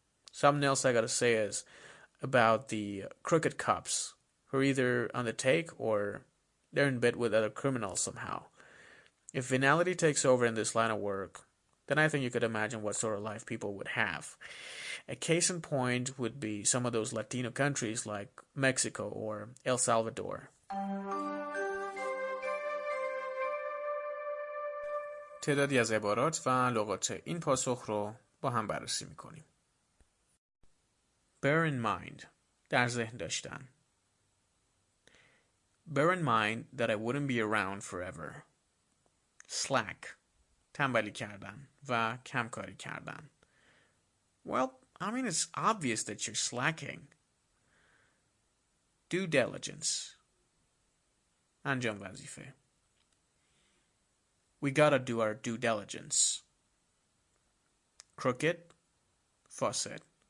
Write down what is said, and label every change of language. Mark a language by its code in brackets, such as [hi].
[en] Something else I gotta say is about the crooked cops, who are either on the take or they're in bed with other criminals somehow. If venality takes over in this line of work, then I think you could imagine what sort of life people would have. A case in point would be some of those Latino countries like Mexico or El Salvador. [fa] تعدادی از عبارات و لغات این پاسخ رو با هم بررسی میکنیم. [en] Bear in mind, [fa] در ذهن داشتن. [en] Bear in mind that I wouldn't be around forever. [fa] Slack, تنبلی کردن و کمکاری کردن. [en] Well, I mean, it's obvious that you're slacking. Due diligence. [fa] انجام وظیفه. [en] We gotta do our due diligence. Crooked? Fawcett.